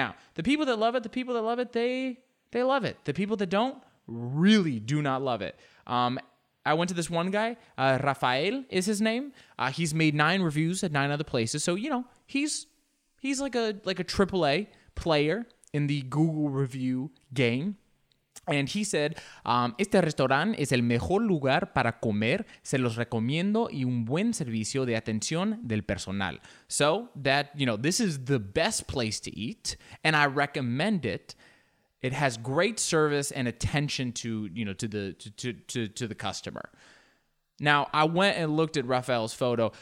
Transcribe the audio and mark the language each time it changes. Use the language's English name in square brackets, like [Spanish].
[English] Now, the people that love it, they love it. The people that don't really do not love it. I went to this one guy, Rafael is his name. He's made 9 reviews at 9 other places. So, you know, he's like a AAA player in the Google review game. [Spanish] And he said, este restaurante es el mejor lugar para comer. Se los recomiendo y un buen servicio de atención del personal. [English] So that, you know, this is the best place to eat. And I recommend it. It has great service and attention to, you know, to the customer. Now, I went and looked at Rafael's photo.